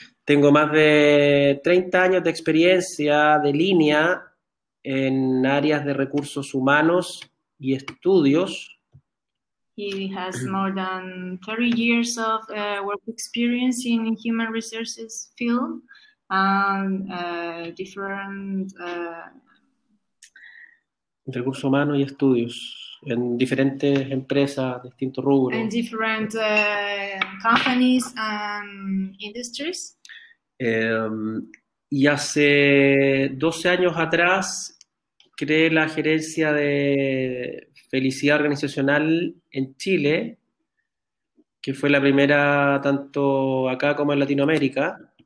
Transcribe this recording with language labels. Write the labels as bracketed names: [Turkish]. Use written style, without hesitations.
[Spanish] Tengo más de 30 años de experiencia de línea en áreas de recursos humanos y estudios. [English] He has more than 30 years of work experience in human resources field and different [Spanish] recursos humanos y estudios en diferentes empresas, distintos rubros. [English] In different companies and industries. [Spanish] Y hace 12 años atrás creé la gerencia de Felicidad Organizacional en Chile, que fue la primera tanto acá como en Latinoamérica.